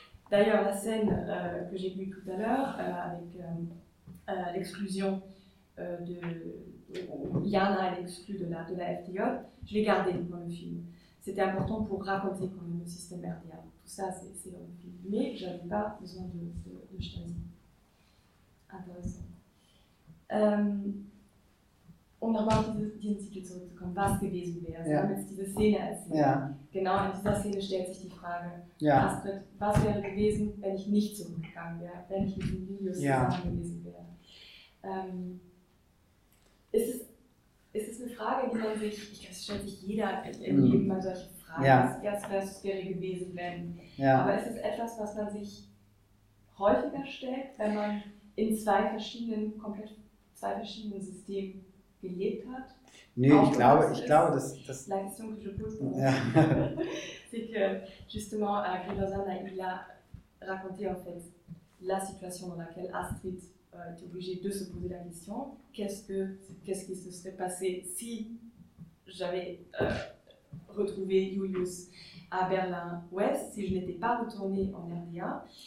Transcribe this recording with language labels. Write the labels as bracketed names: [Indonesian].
[French] D'ailleurs, la scène que j'ai vue tout à l'heure, avec l'exclusion de Jana, elle est exclue de la FDJ, je l'ai gardée dans le film. C'était important pour raconter quand même le système RDA. Tout ça, c'est dans le film. Mais je n'avais pas besoin de Stasi. Intéressant. [German] Und nochmal diesen Titel zurückzukommen, was gewesen wäre, ja. Damit es diese Szene erzählt. Ja. Genau, in dieser Szene stellt sich die Frage, ja. Astrid, was wäre gewesen, wenn ich nicht zurückgegangen wäre, wenn ich mit dem Julius ja. zusammen gewesen wäre. Ist es eine Frage, die man sich, ich glaube, es stellt sich jeder im Leben mal solche Fragen, ja. was wäre gewesen, wenn. Ja. Aber ist es etwas, was man sich häufiger stellt, wenn man in zwei verschiedenen Systemen gelebt hat. Nee, ich glaube, dass... [French] La question que je pose, ja. c'est que, justement, Grégoire il a raconté, en fait, la situation dans laquelle Astrid était obligée de se poser la question, qu'est-ce qui se serait passé si j'avais retrouvé Julius à Berlin-Ouest, si je n'étais pas retournée en RDA.